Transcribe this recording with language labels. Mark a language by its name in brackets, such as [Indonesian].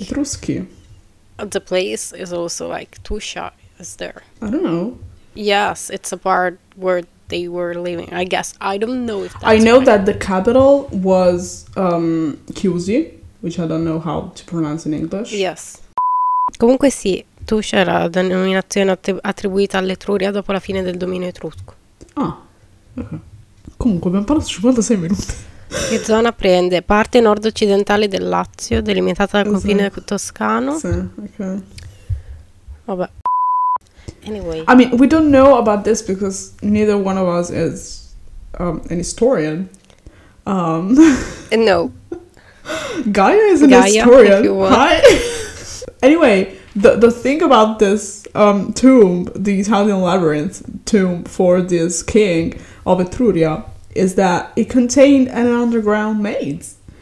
[Italian] Etruschi. [English] The place is also like Tuscia is there. I don't know. Yes, it's a part where they were living. I guess I don't know if that's I know right. That the capital was Chiusi, which I don't know how to pronounce in English. Yes. [Italian] Comunque sì, Tuscia era la denominazione attribuita all'Etruria dopo la fine del dominio etrusco. Okay. Comunque abbiamo parlato 56 minuti. Che zona prende? Parte nord-occidentale del Lazio, delimitata dal confine toscano. Sì, ok. Vabbè. [English] Anyway. I mean, we don't know about this because neither one of us is an historian. No. Gaia is an historian. Hi. Anyway, the thing about this tomb, the Italian labyrinth tomb for this king of Etruria, is that it contained an underground maze.